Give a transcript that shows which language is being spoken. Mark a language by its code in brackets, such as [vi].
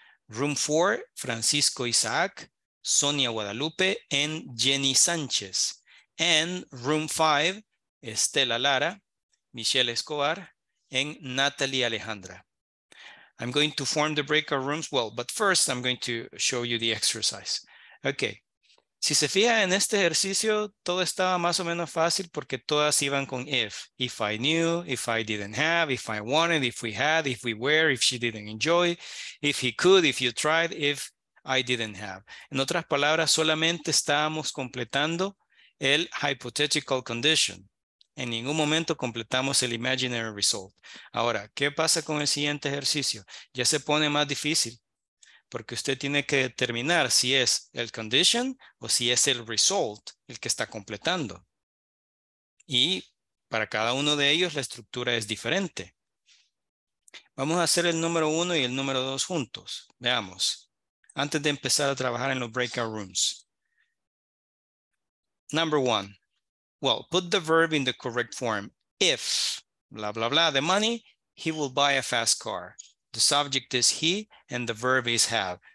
[en] Room 4, Francisco Isaac, Sonia Guadalupe, and Jenny Sánchez. And room 5, Estela Lara, Michelle Escobar, and Natalie Alejandra. I'm going to form the breakout rooms. Well, but first I'm going to show you the exercise. Okay. [es] Si se fija en este ejercicio, todo estaba más o menos fácil porque todas iban con if. [en] If I knew, if I didn't have, if I wanted, if we had, if we were, if she didn't enjoy, if he could, if you tried, if I didn't have. [es] En otras palabras, solamente estábamos completando el [en] hypothetical condition. [es] En ningún momento completamos el [en] imaginary result. [es] Ahora, ¿qué pasa con el siguiente ejercicio? Ya se pone más difícil. Porque usted tiene que determinar si es el condition o si es el result el que está completando. Y para cada uno de ellos la estructura es diferente. Vamos a hacer el número uno y el número dos juntos. Veamos. Antes de empezar a trabajar en los breakout rooms. [en] Number one. Well, put the verb in the correct form. If, blah, blah, blah, the money, he will buy a fast car. The subject is he and the verb is have.